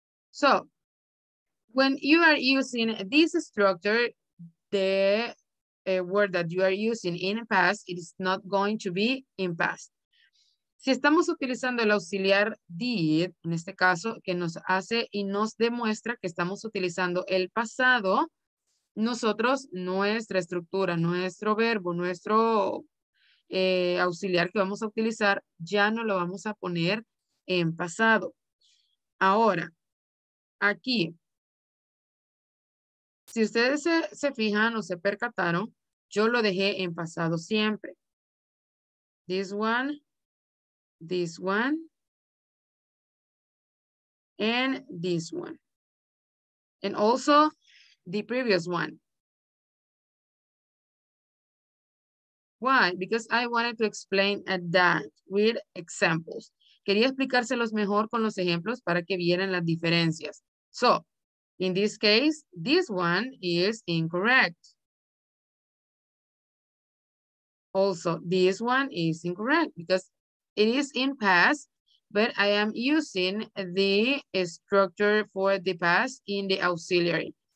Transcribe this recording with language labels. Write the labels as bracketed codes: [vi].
[en] So, when you are using this structure, the word that you are using in past, it is not going to be in past. [es] Si estamos utilizando el auxiliar did, en este caso, que nos hace y nos demuestra que estamos utilizando el pasado, nosotros, nuestra estructura, nuestro verbo, nuestro auxiliar que vamos a utilizar, ya no lo vamos a poner en pasado. Ahora, aquí. Si ustedes se fijan o se percataron, yo lo dejé en pasado siempre. [en] This one, this one, and this one. And also the previous one. Why? Because I wanted to explain that with examples. [es] Quería explicárselos mejor con los ejemplos para que vieran las diferencias. [en] So, in this case, this one is incorrect. Also, this one is incorrect because it is in past, but I am using the structure for the past in the auxiliary.